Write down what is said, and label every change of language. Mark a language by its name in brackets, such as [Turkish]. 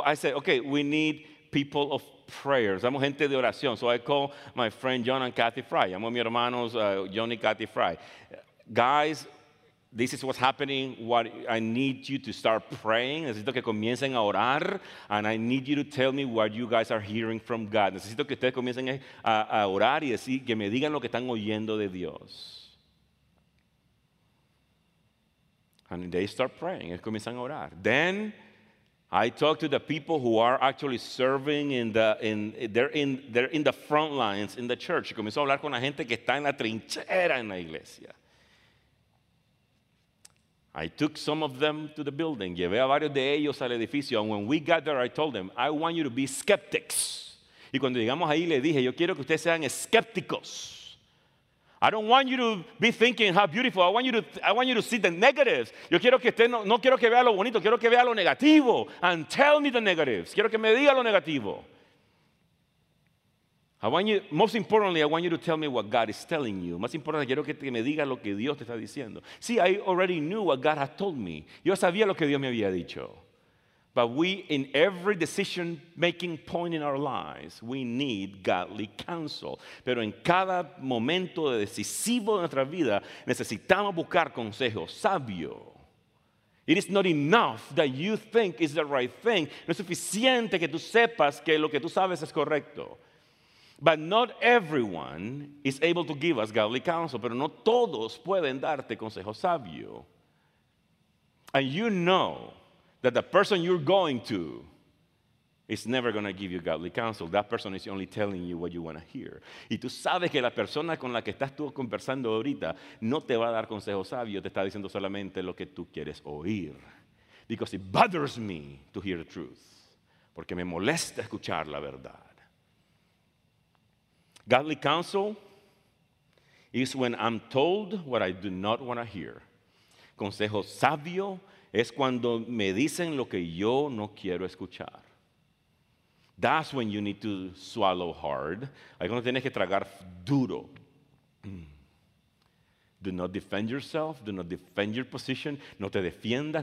[English] I said, okay, we need people of prayer. [Spanish] Somos gente de oración. [English] So I call my friend John and Kathy Fry. [Spanish] Llamo a mis hermanos John y Kathy Fry. [English] Guys, this is what's happening. What I need you to start praying. [Spanish] Necesito que comiencen a orar. [English] And I need you to tell me what you guys are hearing from God. [Spanish] Necesito que ustedes comiencen a orar y decir que me digan lo que están oyendo de Dios. [English] And they start praying. [Spanish] Ellos comienzan a orar. [English] Then I talk to the people who are actually serving they're in the front lines in the church. [Spanish] Y comienzo a hablar con la gente que está en la trinchera en la iglesia. [English] I took some of them to the building. [Spanish] Llevé a varios de ellos al edificio. [English] And when we got there, I told them, I want you to be skeptics. [Spanish] Y cuando llegamos ahí, le dije, yo quiero que ustedes sean escépticos. [English] I don't want you to be thinking how beautiful. I want you to see the negatives. [Spanish] Yo quiero que usted no quiero que vea lo bonito. Quiero que vea lo negativo. [English] And tell me the negatives. [Spanish] Quiero que me diga lo negativo. [English] Most importantly, I want you to tell me what God is telling you. [Spanish] Más importante, quiero que me diga lo que Dios te está diciendo. [English] See, I already knew what God had told me. [Spanish] Yo sabía lo que Dios me había dicho. [English] But we, in every decision-making point in our lives, we need godly counsel. [Spanish] Pero en cada momento decisivo de nuestra vida, necesitamos buscar consejo sabio. [English] It is not enough that you think it's the right thing. [Spanish] No es suficiente que tú sepas que lo que tú sabes es correcto. [English] But not everyone is able to give us godly counsel. [Spanish] Pero no todos pueden darte consejo sabio. [English] And you know that the person you're going to is never going to give you godly counsel. That person is only telling you what you want to hear. [Spanish] Y tú sabes que la persona con la que estás tú conversando ahorita no te va a dar consejo sabio, te está diciendo solamente lo que tú quieres oír. [English] Because it bothers me to hear the truth. [Spanish] Porque me molesta escuchar la verdad. [English] Godly counsel is when I'm told what I do not want to hear. [Spanish] Consejo sabio es cuando me dicen lo que yo no quiero escuchar. [English] That's when you need to swallow hard. [Spanish] Ahí cuando tienes que tragar duro. [English] Do not defend yourself. Do not defend your position. [Spanish] No te defiendas.